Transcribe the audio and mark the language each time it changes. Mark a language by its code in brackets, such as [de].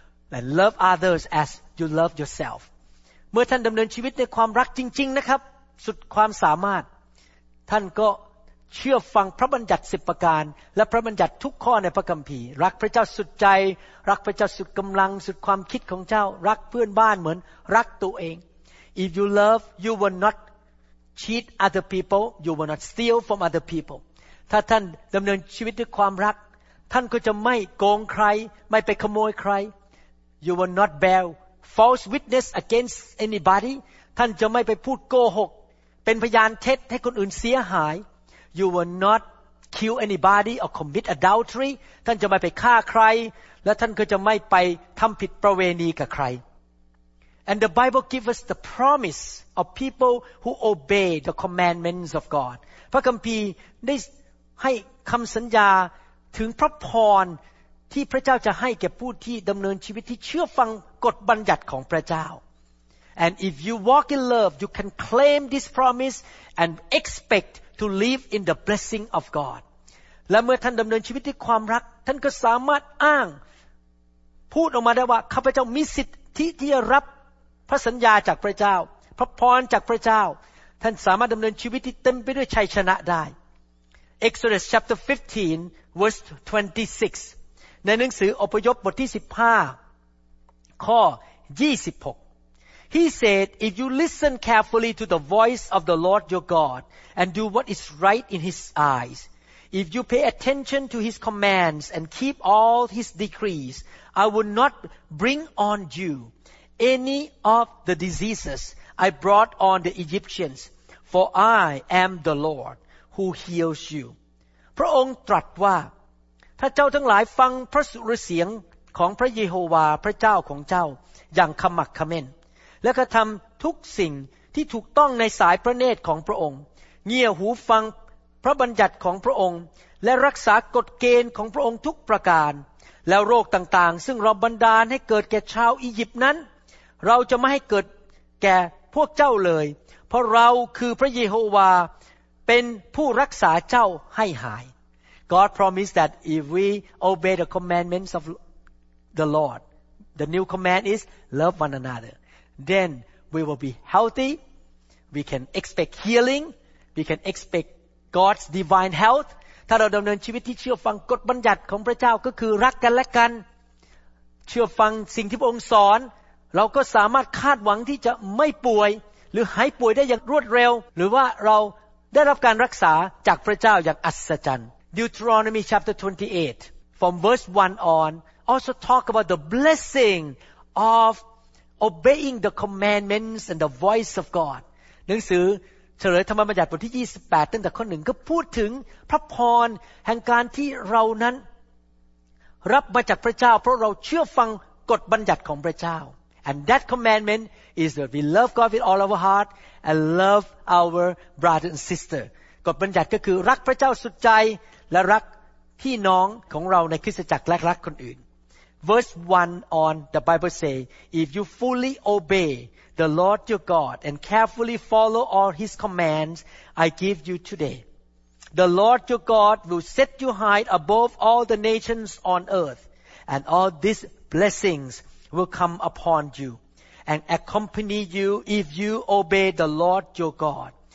[en] And love others as you love yourself. [th] เมื่อท่านดำเนินชีวิตในความรักจริงๆนะครับสุดความสามารถท่านก็เชื่อฟังพระบัญญัติ10ประการและพระบัญญัติทุกข้อในพระคัมภีร์รักพระเจ้าสุดใจรักพระเจ้าสุดกำลังสุดความคิดของเจ้ารักเพื่อนบ้านเหมือนรักตัวเอง [en] If you love you will not cheat other people you will not steal from other people [th] ถ้าท่านดำเนินชีวิตด้วยความรักท่านก็จะไม่โกงใครไม่ไปขโมยใคร [en] You will not bear false witness against anybody [th] ท่านจะไม่ไปพูดโกหกเป็นพยานเท็จให้คนอื่นเสียหาย [en] You will not kill anybody or commit adultery [th] ท่านจะไม่ไปฆ่าใครและท่านก็จะไม่ไปทำผิดประเวณีกับใคร [en] And the Bible gives us the promise of people who obey the commandments of God [th] พระคัมภีร์ได้ให้คำสัญญาถึงพระพรที่พระเจ้าจะให้แก่ผู้ที่ดำเนินชีวิตที่เชื่อฟังกฎบัญญัติของพระเจ้า [en] And if you walk in love, you can claim this promise and expect to live in the blessing of God. [th] และเมื่อท่านดำเนินชีวิตด้วยความรักท่านก็สามารถอ้างพูดออกมาได้ว่าข้าพเจ้ามีสิทธิที่จะรับพระสัญญาจากพระเจ้าพระพรจากพระเจ้าท่านสามารถดำเนินชีวิตที่เต็มไปด้วยชัยชนะได้ [en] Exodus chapter 15 verse 26 [th] ในหนังสืออพยพบทที่15ข้อ26 [en] He said, if you listen carefully to the voice of the Lord your God and do what is right in His eyes, if you pay attention to His commands and keep all His decrees, I will not bring on you any of the diseases I brought on the Egyptians, for I am the Lord who heals you. [th] พระองค์ตรัสว่าถ้าเจ้าทั้งหลายฟังพระสุรเสียงของพระเยโฮวาห์พระเจ้าของเจ้าอย่างขมักเขม้นและกระทำทุกสิ่งที่ถูกต้องในสายพระเนตรของพระองค์เงี่ยหูฟัง พระบัญญัติของพระองค์และรักษากฎเกณฑ์ของพระองค์ทุกประการแล้วโรคต่างๆซึ่งเราบันดาลให้เกิดแก่ชาวอียิปต์นั้นเราจะไม่ให้เกิดแก่พวกเจ้าเลยเพราะเราคือพระเยโฮวาห์เป็นผู้รักษาเจ้าให้หาย [en] God promised that if we obey the commandments of the Lord the new command is love one anotherThen we will be healthy. We can expect healing. We can expect God's divine health. [th] ถ้าเราดำเนินชีวิตที่เชื่อฟังกฎบัญญัติของพระเจ้าก็คือรักกันและกันเชื่อฟังสิ่งที่พระองค์สอนเราก็สามารถคาดหวังที่จะไม่ป่วยหรือหายป่วยได้อย่างรวดเร็วหรือว่าเราได้รับการรักษาจากพระเจ้าอย่างอัศจรรย์ [en] Deuteronomy chapter 28 from verse 1 on also talk about the blessing ofobeying the commandments and the voice of God [th] หนังสือเฉลยธรรมบัญญัติบทที่28ตั้งแต่ข้อ1ก็พูดถึงพระพรแห่งการที่เรานั้นรับมาจากพระเจ้าเพราะเราเชื่อฟังกฎบัญญัติของพระเจ้า [en] and that commandment is that we love God with all our heart and love our brother and sister [th] กฎบัญญัติก็คือรักพระเจ้าสุดใจและรักพี่น้องของเราในคริสตจักรและรักคนอื่น [en] Verse 1 on the Bible say, If you fully obey the Lord your God and carefully follow all His commands, I give you today. The Lord your God will set you high above all the nations on earth, and all these blessings will come upon you and accompany you if you obey the Lord your God.